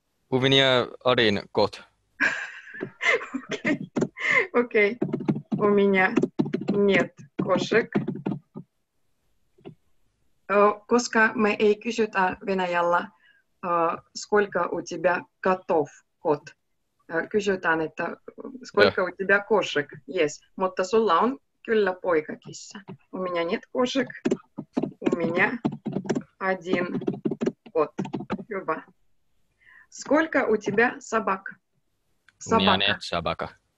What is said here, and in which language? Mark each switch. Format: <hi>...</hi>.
<ru>У меня один кот. Окей, у меня нет кошек.</ru> <fi>Koska me ei kysytä Venäjällä,</fi> <ru>сколько у тебя котов, кот.</ru> <fi>Kysytään, että</fi> <ru>сколько у тебя кошек.</ru> <fi>Yes, mutta sulla on kyllä poikakissa.</fi> <ru>У меня нет кошек, у меня один кот. Hyvä. Сколько у тебя собак? Собака. У меня нет собака.</ru>